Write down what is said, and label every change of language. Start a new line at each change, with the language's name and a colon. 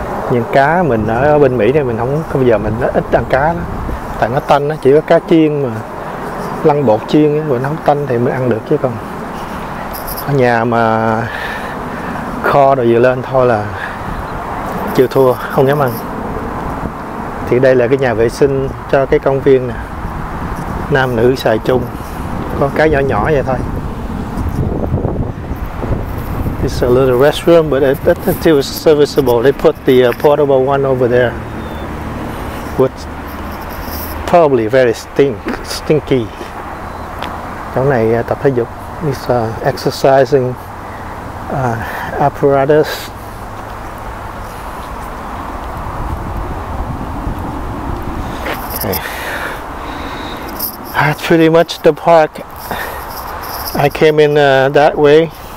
Vietnamese: Những cá mình ở bên Mỹ thì mình không bao giờ mình ít ăn cá đó, tại nó tanh, nó chỉ có cá chiên mà lăn bột chiên mà nó không tanh thì mới ăn được, chứ còn ở nhà mà kho đồ vừa lên thôi là chịu thua, không dám ăn. Thì đây là cái nhà vệ sinh cho cái công viên nè, nam nữ xài chung, có cái nhỏ nhỏ vậy thôi.
English: It's a little restroom, but it's still serviceable. They put the portable one over there, which probably very stinky.
Vietnamese: Chỗ này tập thể dục,
English: it's exercising apparatus. That's pretty much the park. I came in that way.